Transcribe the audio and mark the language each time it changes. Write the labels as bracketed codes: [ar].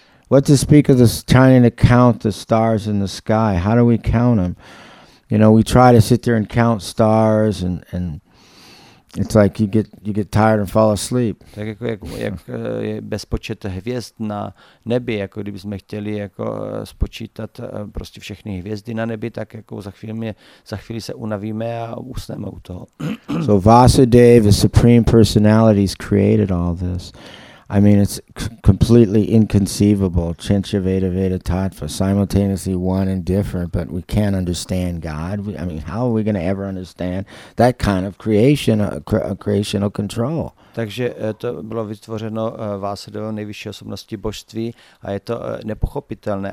[en] What to speak of this trying to count the stars in the sky? How do we count them? You know, we try to sit there and count stars and it's like you get tired and fall asleep. [cs] Tak jako je bezpočet hvězd na nebi, jako kdybychom chtěli jako spočítat prostě všechny hvězdy na nebi, tak jako za chvíli se unavíme a usneme u toho. [en] So Vasudeva, the supreme personality, has created all this. I mean, it's completely inconceivable. Chintya Veda Veda Tattva, simultaneously one and different, but we can't understand God. I mean, how are we going to ever understand that kind of creation, creational control? [cs] Takže to bylo vytvořeno Vásudevou nejvyšší osobností božství a je to nepochopitelné.